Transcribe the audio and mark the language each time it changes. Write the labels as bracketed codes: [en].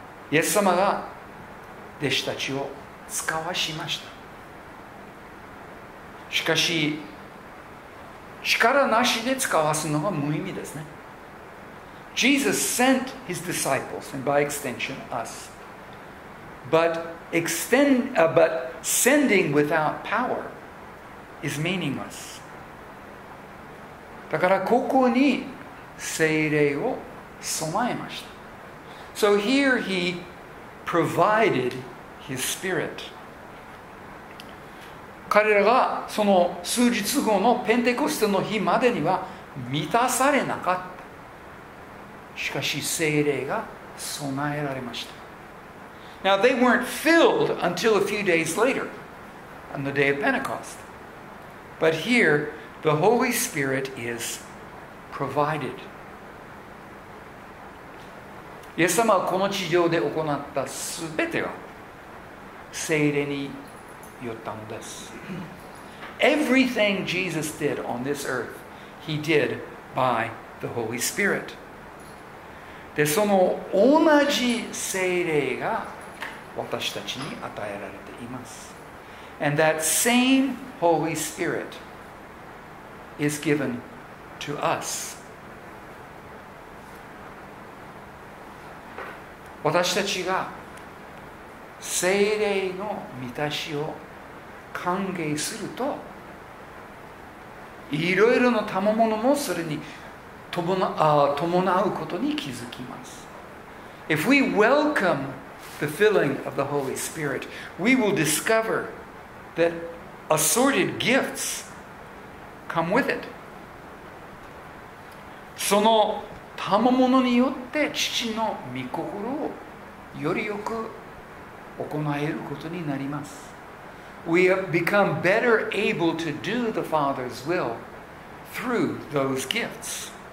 [ja] イエス様が弟子たちを使わしました。しかし、力なしで使わすのは無意味ですね。 [en] Jesus sent his disciples, and by extension, us. But sending without power is meaningless. [ja] だからここに聖霊を備えました。 [en] So here he provided his spirit. [ja] 彼らがその数日後のペンテコステの日までには満たされなかった。しかし聖霊が備えられました。 [en] Now they weren't filled until a few days later, on the day of Pentecost. But here, the Holy Spirit is provided. [ja] イエス様はこの地上で行ったすべては聖霊によったのです。 [en] Everything Jesus did on this earth, he did by the Holy Spirit. [ja] でその同じ聖霊が私たちに与えられています。 [en] And that same Holy Spirit is given to us. [ja] 私たちが聖霊の満たしを歓迎すると、いろいろの賜物もそれに伴うことに気づきます。 [en] If we welcome the filling of the Holy Spirit, we will discover that assorted gifts come with it. [ja] その賜物によって父の御心をよりよく行えることになります。 [en] We become better able to do the Father's will through those gifts.